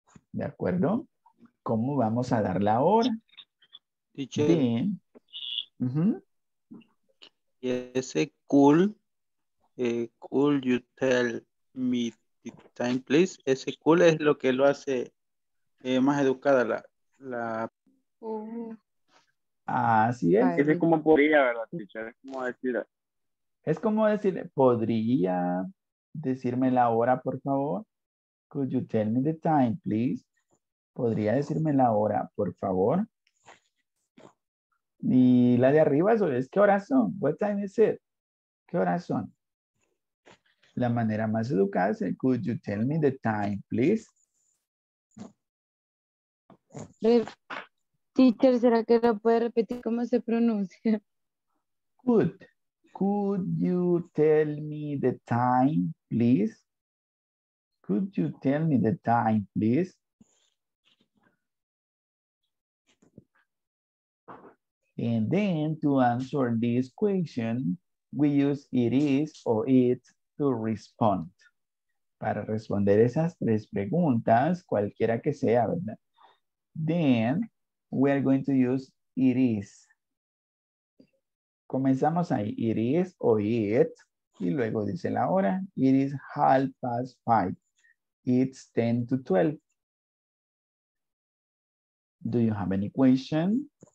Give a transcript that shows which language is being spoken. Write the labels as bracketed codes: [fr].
[es] ¿De acuerdo? ¿Cómo vamos a dar la hora? Teacher. Bien. Uh-huh. Y ese [en] cool, could you tell me the time, please? [es] Ese cool es lo que lo hace más educada la... Así es. Ese es como podría, ¿verdad, teacher? Es como decir... Es como decir, ¿podría decirme la hora, por favor? [en] Could you tell me the time, please? [es] ¿Podría decirme la hora, por favor? Y la de arriba es, ¿qué horas son? [en] What time is it? [es] ¿Qué horas son? La manera más educada es, [en] could you tell me the time, please? [es] Teacher, ¿será que lo puede repetir cómo se pronuncia? [en] Could. Could you tell me the time, please? Could you tell me the time, please? And then to answer this question, we use it is or it to respond. [es] Para responder esas tres preguntas, cualquiera que sea, ¿verdad? [en] Then we are going to use it is. [es] Comenzamos ahí, [en] it is or it, [es] y luego dice la hora. [en] It is 5:30. It's 10:50. Do you have any question?